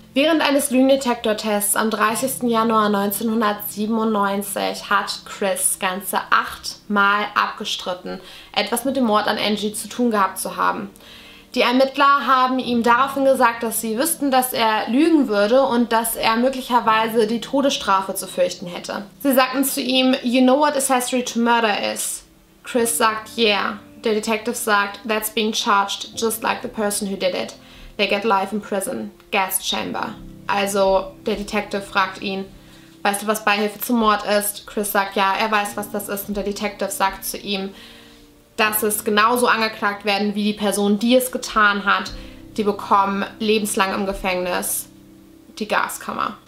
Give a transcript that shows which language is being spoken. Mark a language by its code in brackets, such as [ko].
[de] Während eines Lügendetektortests am 30. Januar 1997 hat Chris ganze 8 Mal abgestritten, etwas mit dem Mord an Angie zu tun gehabt zu haben. Die Ermittler haben ihm daraufhin gesagt, dass sie wüssten, dass er lügen würde und dass er möglicherweise die Todesstrafe zu fürchten hätte. Sie sagten zu ihm, [en] "You know what accessory to murder is?" Chris sagt, "Yeah." [de] Der Detective sagt, [en] "That's being charged just like the person who did it. They get life in prison, gas chamber." [de] Also, der Detective fragt ihn, weißt du, was Beihilfe zum Mord ist? Chris sagt, ja, er weiß, was das ist. Und der Detective sagt zu ihm, dass es genauso angeklagt werden wie die Person, die es getan hat. Die bekommen lebenslang im Gefängnis die Gaskammer.